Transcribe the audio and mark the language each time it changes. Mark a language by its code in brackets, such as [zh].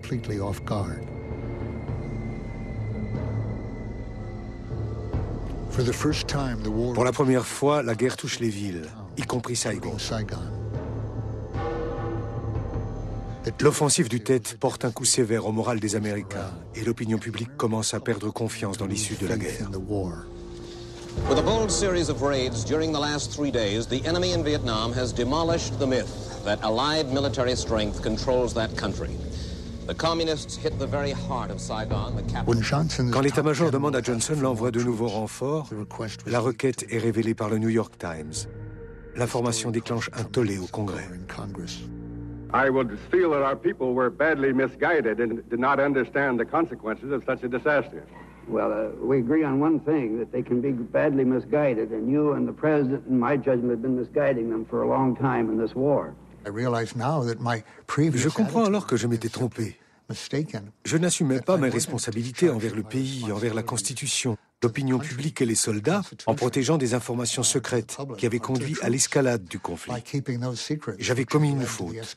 [fr] Pour la première fois, la guerre touche les villes, y compris Saigon. L'offensive du Tet porte un coup sévère au moral des Américains et l'opinion publique commence à perdre confiance dans l'issue de la guerre. [en] With a bold series of raids during the last three days, the enemy in Vietnam has demolished the myth that Allied military strength controls that country. The communists hit the very heart of Saigon, the capital. [fr] Quand l'état-major demande à Johnson l'envoi de nouveaux renforts, la requête est révélée par le New York Times. L'information déclenche un tollé au Congrès. [en] I would feel that our people were badly misguided and did not understand the consequences of such a disaster. Well, we agree on one thing, that they can be badly misguided, and you and the president, in my judgment, have been misguiding them for a long time in this war. I realize now that my previous. [fr] Je comprends alors que je m'étais trompé. Je n'assumais pas mes responsabilités envers le pays, envers la Constitution, l'opinion publique et les soldats, en protégeant des informations secrètes qui avaient conduit à l'escalade du conflit. J'avais commis une faute.